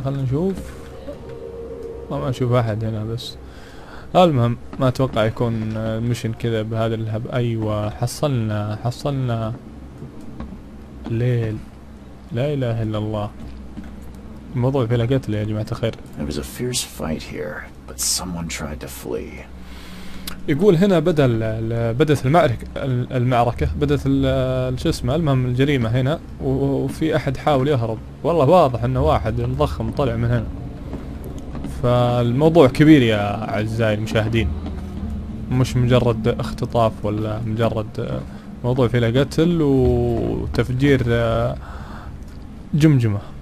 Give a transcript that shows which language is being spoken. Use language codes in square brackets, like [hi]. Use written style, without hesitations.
[ar] خلنا نشوف، ما نشوف احد هنا بس. المهم ما اتوقع يكون المشن كذا بهذا الهب. ايوه حصلنا ليل. لا اله الا الله، الموضوع فيه لقتل يا جماعة الخير. [en] It was a fierce fight here, but someone tried to flee. [ar] يقول هنا بدت المعركة، بدت شو اسمه المهم الجريمة هنا، وفي أحد حاول يهرب. والله واضح إنه واحد ضخم طلع من هنا. فالموضوع كبير يا أعزائي المشاهدين، مش مجرد اختطاف ولا مجرد موضوع فيه لقتل وتفجير جمجمة.